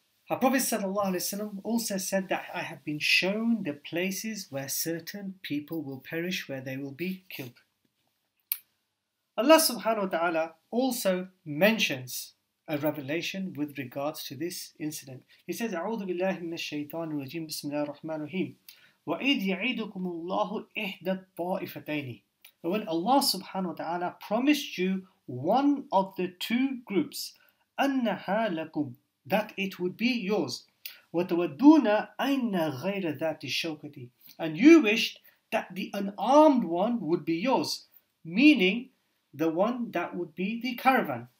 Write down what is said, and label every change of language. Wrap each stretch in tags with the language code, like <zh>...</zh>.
<en>Our Prophet sallallahu alayhi wa sallam also said that I have been shown the places where certain people will perish, where they will be killed. Allah subhanahu wa ta'ala also mentions a revelation with regards to this incident. He says,</en> <ar>أعوذ بالله من الشيطان الرجيم بسم الله الرحمن الرحيم وَإِذْ يَعِيدُكُمُ اللَّهُ إِحْدَى الطَّائِفَتَيْنِ.</ar> <en>When Allah subhanahu wa ta'ala promised you one of the two groups,</en> <ar>أَنَّهَا لَكُمْ,</ar> <en>that it would be yours,</en> <ar>وَتَوَدُّونَ أَيْنَّ غَيْرَ ذَاتِ الشَّوْكَةِ,</ar> <en>and you wished that the unarmed one would be yours, meaning the one that would be the caravan.</en>